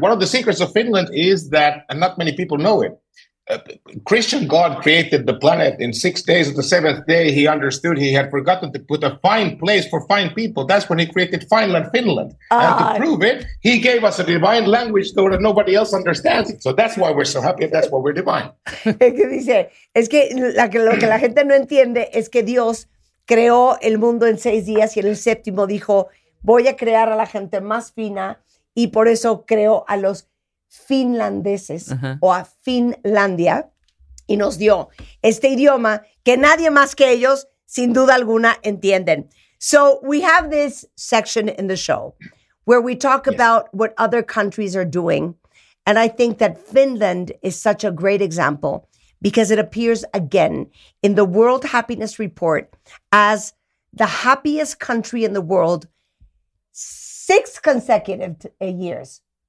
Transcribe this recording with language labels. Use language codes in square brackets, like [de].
[en] One of the secrets of Finland is that, and not many people know it, Christian God created the planet in 6 days. Of the seventh day, he understood he had forgotten to put a fine place for fine people. That's when he created Finland. And to prove it, he gave us a divine language, though that nobody else understands it. So that's why we're so happy. That's why we're divine. [es] Es que dice, es que lo que la gente no entiende es que Dios creó el mundo en 6 días y en el séptimo dijo, voy a crear a la gente más fina y por eso creó a los finlandeses o a Finlandia y nos dio este idioma que nadie más que ellos sin duda alguna entienden. [en] So we have this section in the show where we talk about what other countries are doing, and I think that Finland is such a great example because it appears again in the World Happiness Report as the happiest country in the world 6 consecutive years.